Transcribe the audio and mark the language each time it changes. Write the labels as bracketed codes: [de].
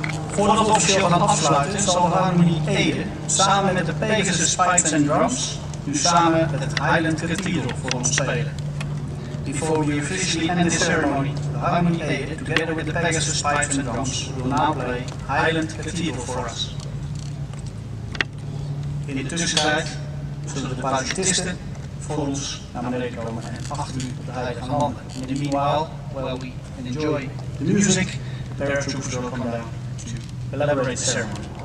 [nl] Voordat we officieel gaan afsluiten, zal Harmonie Ede samen met de Pegasus Spikes and Drums nu samen met het Highland Cathedral voor ons spelen. [en] Before we officially end the ceremony, Harmonie Ede, together with the Pegasus Spikes and Drums, will now play Highland Cathedral for us. [nl] In de tussentijd zullen de parachutisten voor ons naar beneden komen en achter u op de heide gaan landen. [en] In the meanwhile, while we enjoy the music, paratroopers will come down to elaborate the ceremony.